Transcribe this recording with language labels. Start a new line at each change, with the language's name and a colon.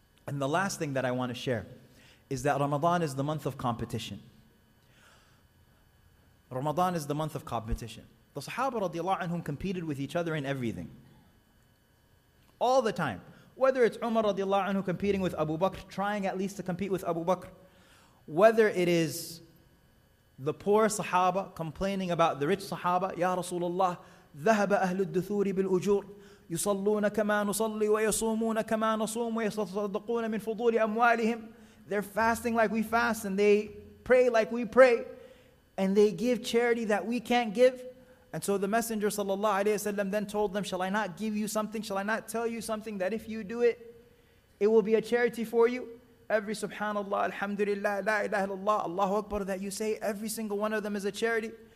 English: And the last thing that I want to share is that Ramadan is the month of competition. Ramadan is the month of competition. The Sahaba radiallahu anhum competed with each other in everything. All the time. Whether it's Umar radiallahu anhu competing with Abu Bakr, trying at least to compete with Abu Bakr. Whether it is the poor Sahaba complaining about the rich Sahaba,
Arabic: Ya Rasulullah, ذهب أهل الدثور بالأجور يصلون كما نصلي ويصومون كما نصوم ويصدقون من فضول أموالهم.
English: They're fasting like we fast and they pray like we pray and they give charity that we can't give. And so the Messenger sallallahu alayhi wa sallam then told them, shall I not give you something? Shall I not tell you something that if you do it, it will be a charity for you? Every subhanallah, alhamdulillah, la ilaha illallah, Allahu Akbar that you say, every single one of them is a charity.